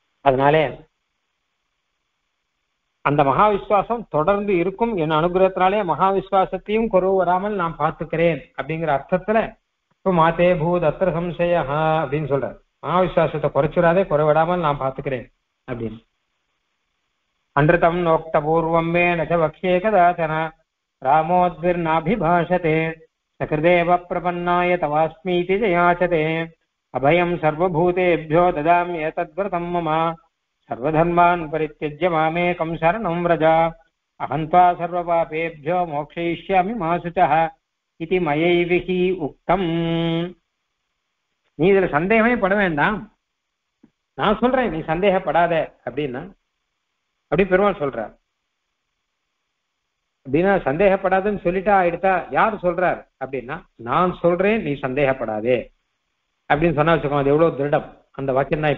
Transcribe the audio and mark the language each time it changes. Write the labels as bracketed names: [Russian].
[Tamil] அதனாலே அந்த மகாவிஸ்வாசம் தொடர்ந்து இருக்கும், என் அனுகிரகத்தினாலே மகாவிஸ்வாசத்தையும் குறவு வராமல் நான் பார்த்துக்கிறேன் அப்படிங்கிற அர்த்தத்துல இப்ப [Sanskrit] மாத்தே பூத் அத்திர சம்சயா [Tamil] அப்படின்னு சொல்றாரு, மகாவிஸ்வாசத்தை குறைச்சிடாதே குறைவிடாமல் நான் பார்த்துக்கிறேன் அப்படின்னு. [Sanskrit] अनृतम नोक्त पूर्वमेण च वक्ष्ये कदाचन रामोऽद्भिर्नाभिभाषते सकृदेव प्रपन्नाय तवास्मीति च याचते अभयम् सर्वभूतेभ्यो ददाम्येतद्व्रतम् मम सर्वधर्मान् परित्यज्य मामेकम् शरणम् व्रज अहं त्वा सर्वपापेभ्यो मोक्षयिष्यामि मा शुचः इति मयैः उक्तम्। [Tamil] நீ இதுல சந்தேகமே பட வேண்டாம், நான் சொல்றேன் நீ சந்தேகப்படாத அப்படின்னா அப்படி பெருமாள் சொல்றார். அப்படின்னா சந்தேகப்படாதுன்னு சொல்லிட்டா ஆயிடுதா, யார் சொல்றார் அப்படின்னா நான் சொல்றேன் நீ சந்தேகப்படாதே அப்படின்னு சொன்னா வச்சுக்கோ, அது எவ்வளவு திருடம் அந்த வாக்கியம் தான்.